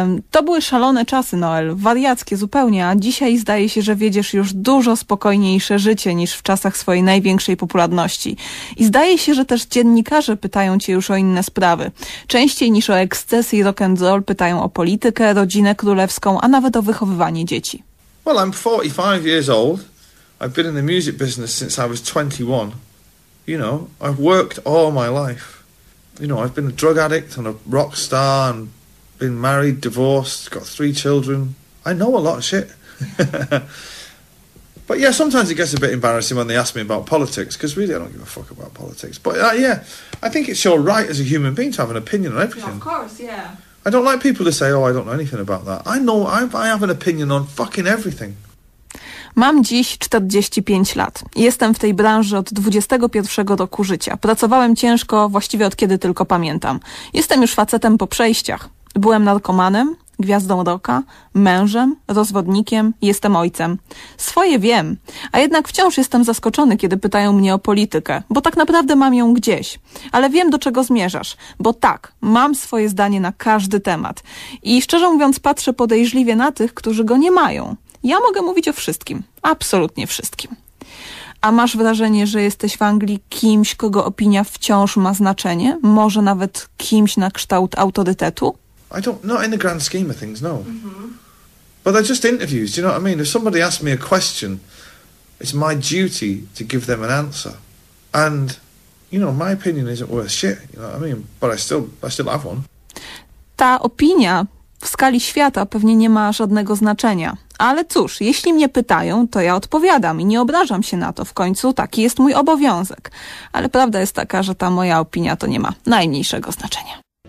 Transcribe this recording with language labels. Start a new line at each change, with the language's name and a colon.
Polish: To były szalone czasy, Noel, wariackie zupełnie, a dzisiaj zdaje się, że wiedziesz już dużo spokojniejsze życie niż w czasach swojej największej popularności. I zdaje się, że też dziennikarze pytają cię już o inne sprawy. Częściej niż o ekscesy i rock and roll pytają o politykę, rodzinę królewską, a nawet o wychowywanie dzieci.
English: Well, I'm 45 years old. I've been in the music business since I was 21. You know, I've worked all my life. You know, I've been a drug addict and a rock star and been married, divorced, got three children. I know a lot of shit. But yeah, sometimes it gets a bit embarrassing when they ask me about politics, because really I don't give a fuck about politics. But yeah, I think it's your right as a human being to have an opinion on everything. Yeah, of course, yeah. I don't like people to say, oh, I don't know anything about that. I know, I have an opinion on fucking everything.
Polish: Mam dziś 45 lat. Jestem w tej branży od 21 roku życia. Pracowałem ciężko właściwie od kiedy tylko pamiętam. Jestem już facetem po przejściach. Byłem narkomanem, gwiazdą rocka, mężem, rozwodnikiem, jestem ojcem. Swoje wiem, a jednak wciąż jestem zaskoczony, kiedy pytają mnie o politykę, bo tak naprawdę mam ją gdzieś. Ale wiem, do czego zmierzasz, bo tak, mam swoje zdanie na każdy temat. I szczerze mówiąc, patrzę podejrzliwie na tych, którzy go nie mają. Ja mogę mówić o wszystkim, absolutnie wszystkim. A masz wrażenie, że jesteś w Anglii kimś, kogo opinia wciąż ma znaczenie? Może nawet kimś na kształt autorytetu?
English: I don't, not in the grand scheme of things, no. Mm-hmm. But they're just interviews, do you know what I mean? If somebody asks me a question, it's my duty to give them an answer. And, you know, my opinion isn't worth shit, you know what I mean? But I still have one.
Polish: Ta opinia w skali świata pewnie nie ma żadnego znaczenia. Ale cóż, jeśli mnie pytają, to ja odpowiadam i nie obrażam się na to. W końcu taki jest mój obowiązek. Ale prawda jest taka, że ta moja opinia to nie ma najmniejszego znaczenia.